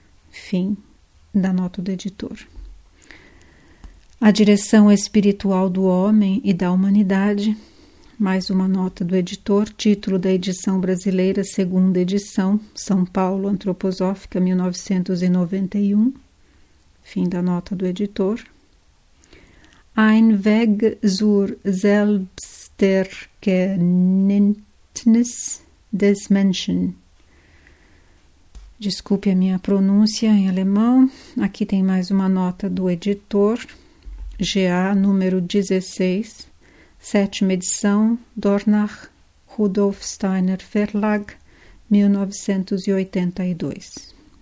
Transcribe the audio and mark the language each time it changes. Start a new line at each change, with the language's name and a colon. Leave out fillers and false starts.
Portuguese: Fim da nota do editor. A direção espiritual do homem e da humanidade, mais uma nota do editor, título da edição brasileira, 2ª edição, São Paulo, Antroposófica, 1991. Fim da nota do editor.
German: Ein Weg zur Selbsterkenntnis des Menschen.
Portuguese: Desculpe a minha pronúncia em alemão. Aqui tem mais uma nota do editor. GA número 16, 7ª edição, Dornach, Rudolf Steiner Verlag, 1982.